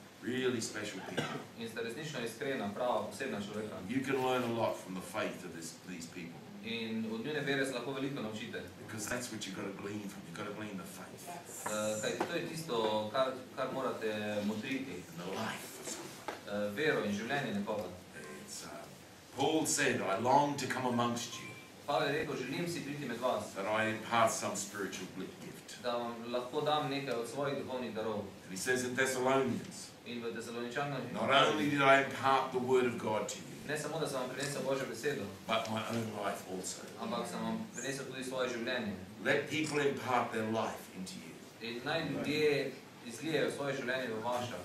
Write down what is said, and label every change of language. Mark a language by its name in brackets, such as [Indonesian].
[English] Really special people. You can learn a lot from the faith of these people. [Slovenian] In od njene vere se lahko veliko naučite. [English] Because that's what you gotta glean from. You gotta glean the faith. [Slovenian] Kajti to je tisto, kar morate motriti. [English] The life of someone. [Slovenian] Vero in življenje nekoga. [English] Paul said, I long to come amongst you. [Slovenian] Pavel je rekel, želim si priti med vas. [English] That I impart some spiritual gift. [Slovenian] Da vam lahko dam nekaj od svojih duhovnih darov. [English] And he says in Thessalonians. [Slovenian] In v Tesaloničanom. [English] Not only did I impart the word of God to you. [Slovenian] Ne samo, da sem vam prinesel Božjo besedo, [English] but my own life also. [Slovenian] Ampak sem vam prinesel tudi svoje življenje. [English] Let people impart their life into you. [Slovenian] In naj ljudje izlijejo svoje življenje v vaša.